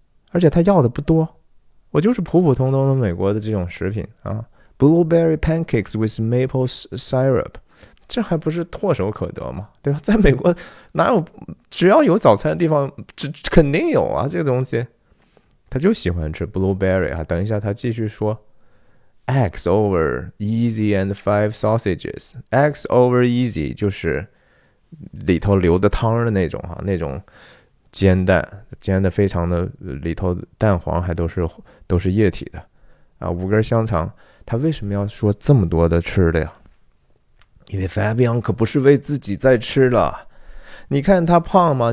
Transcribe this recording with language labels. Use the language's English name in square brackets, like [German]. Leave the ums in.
[Chinese] 而且他要的不多，我就是普普通通的美国的这种食品啊， [English] blueberry pancakes with maple syrup， [Chinese] 这还不是唾手可得吗？对吧？在美国哪有只要有早餐的地方，这肯定有啊，这个东西，他就喜欢吃 blueberry 啊，等一下他继续说。 [English] X over easy and five sausages. [Chinese] X over easy 就是里头留的汤的那种哈、啊，那种煎蛋煎的非常的里头蛋黄还都是都是液体的啊。五根香肠，他为什么要说这么多的吃的呀？因为 Fabian 可不是为自己在吃了。你看他胖吗？